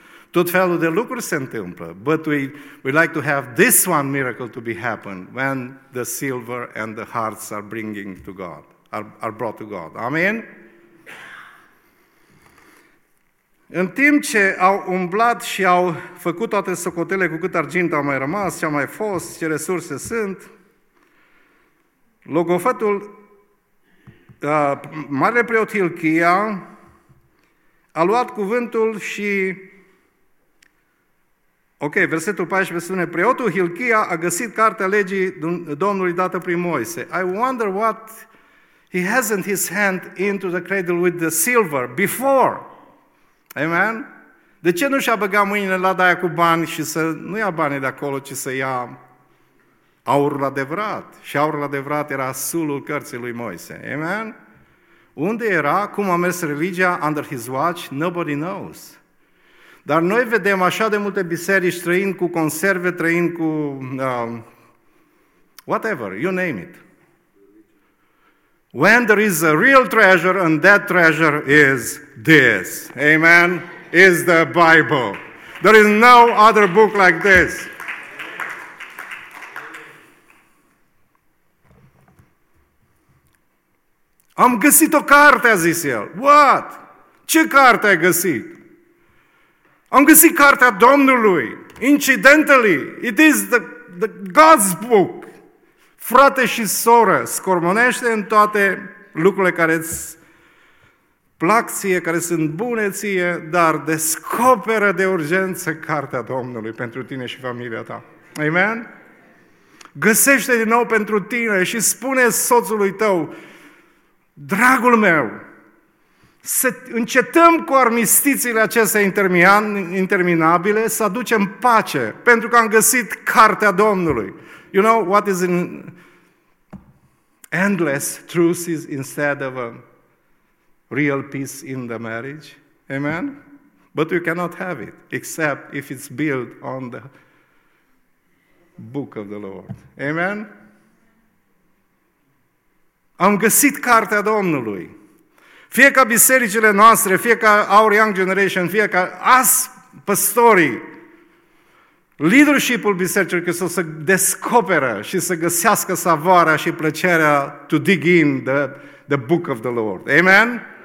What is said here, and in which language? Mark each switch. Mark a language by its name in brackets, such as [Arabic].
[Romanian] Tot felul de lucruri se întâmplă, [English] but we like to have this one miracle to be happen when the silver and the hearts are bringing to God, are brought to God. Amen? [Romanian] În timp ce au umblat și au făcut toate socotele cu cât argint au mai rămas, ce a mai fost, ce resurse sunt, logofătul, marele preot Hilchia, a luat cuvântul și... Ok, versetul 14 spune, preotul Hilchia a găsit cartea legii Domnului dată prin Moise. [English] I wonder what he has in his hand into the cradle with the silver before. Amen? [Romanian] De ce nu și-a băgat mâinile la daia cu bani și să nu ia banii de acolo, ci să ia aurul adevărat? Și aurul adevărat era sulul cărții lui Moise. Amen? Unde era? Cum a mers religia? [English] Under his watch? Nobody knows. [Romanian] Dar noi vedem așa de multe biserici trăind cu conserve, trăind cu [English] whatever, you name it. When there is a real treasure and that treasure is this, amen, is the Bible. There is no other book like this. [Romanian] Am găsit o carte, a zis el. What? Ce carte ai găsit? Am găsit cartea Domnului, [English] incidentally, it is the God's book. [Romanian] Frate și soră, scormonește în toate lucrurile care îți plac ție, care sunt bune ție, dar descoperă de urgență cartea Domnului pentru tine și familia ta. Amen? Găsește din nou pentru tine și spune soțului tău, dragul meu, să încetăm cu armistițiile acestea interminabile, să aducem pace, pentru că am găsit cartea Domnului. [English] You know what is in endless truces instead of a real peace in the marriage? Amen? But you cannot have it, except if it's built on the book of the Lord. Amen? [Romanian] Am găsit cartea Domnului. Fie ca bisericile noastre, fie ca [English] Our Young Generation, [Romanian] fie ca us păstorii, leadership-ul Bisericii Hristos să descoperă și să găsească savoarea și plăcerea [English] to dig in the book of the Lord. [Romanian] Amen?